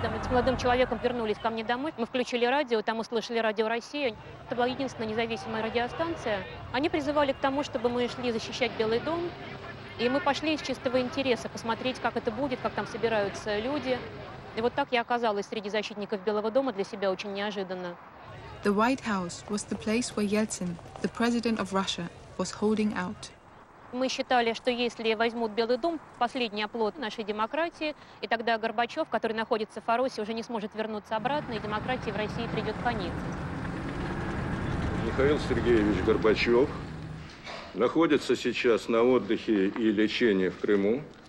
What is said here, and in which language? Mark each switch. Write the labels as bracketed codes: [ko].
[ru] Молодым человеком вернулись ко мне домой. Мы включили радио, там услышали радио «Россия». Это была единственная независимая радиостанция. Они призывали к тому, чтобы мы шли защищать Белый дом. И мы пошли из чистого интереса посмотреть, как это будет, как там собираются люди. И вот так я оказалась среди защитников Белого дома для себя очень неожиданно. [en] The White House was the place where Yeltsin, the president of Russia, was holding out. [ru] Мы считали, что если возьмут Белый дом, последний оплот нашей демократии, и тогда Горбачев, который находится в Фаросе, уже не сможет вернуться обратно, и демократия в России придет конец. Михаил Сергеевич Горбачев находится сейчас на отдыхе и лечении в Крыму.